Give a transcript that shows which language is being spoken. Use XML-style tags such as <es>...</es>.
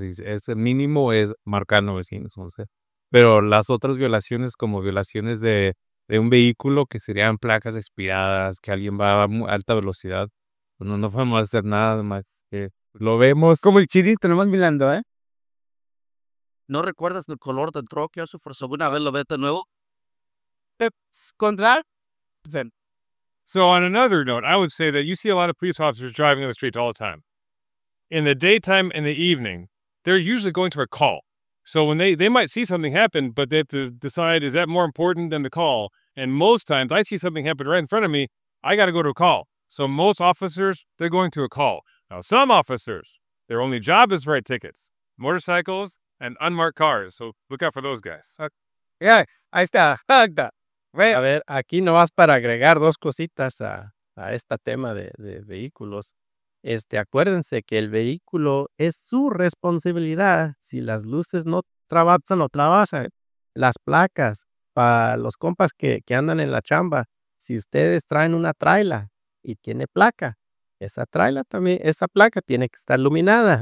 <es>Y ese mínimo es marcar 911. Pero las otras violaciones, como violaciones de un vehículo, que serían placas expiradas, que alguien va a alta velocidad, no podemos hacer nada más que lo vemos. Como el chirito, nomás mirando, ¿eh? ¿No recuerdas el color del troque? ¿Eso fue una vez lo ves de nuevo? ¿Contra?</es> <en>So on another note, I would say that you see a lot of police officers driving on the streets all the time. In the daytime and the evening, they're usually going to a call. So when they might see something happen, but they have to decide, is that more important than the call? And most times, I see something happen right in front of me, I got to go to a call. So most officers, they're going to a call. Now, some officers, their only job is to write tickets, motorcycles, and unmarked cars. So look out for those guys.</en> <es>Yeah, ahí está. Está. A ver, aquí no vas para agregar dos cositas a este tema de vehículos. Acuérdense que el vehículo es su responsabilidad. Si las luces no trabajan, no trabajan. Las placas, para los compas que andan en la chamba, si ustedes traen una traila y tiene placa, esa traila también, esa placa tiene que estar iluminada.</es>